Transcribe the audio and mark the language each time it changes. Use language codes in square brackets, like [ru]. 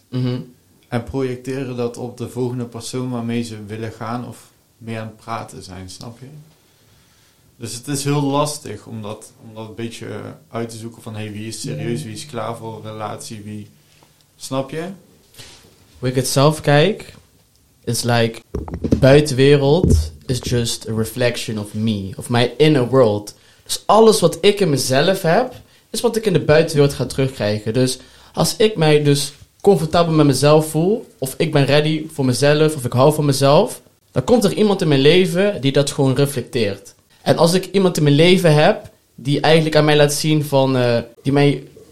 [nl] Mm-hmm. En projecteren dat op de volgende persoon waarmee ze willen gaan of mee aan het praten zijn, snap je? Dus het is heel lastig om dat een beetje uit te zoeken van... Hey, wie is serieus? Wie is klaar voor een relatie? Wie... Snap je? Hoe ik het zelf kijk... [en] It's like, buitenwereld is just a reflection of me. Of my inner world. [nl] Dus alles wat ik in mezelf heb, is wat ik in de buitenwereld ga terugkrijgen. Dus als ik mij dus comfortabel met mezelf voel, of ik ben ready voor mezelf, of ik hou van mezelf, dan komt er iemand in mijn leven die dat gewoon reflecteert. En als ik iemand in mijn leven heb, die eigenlijk aan mij laat zien van, die mij...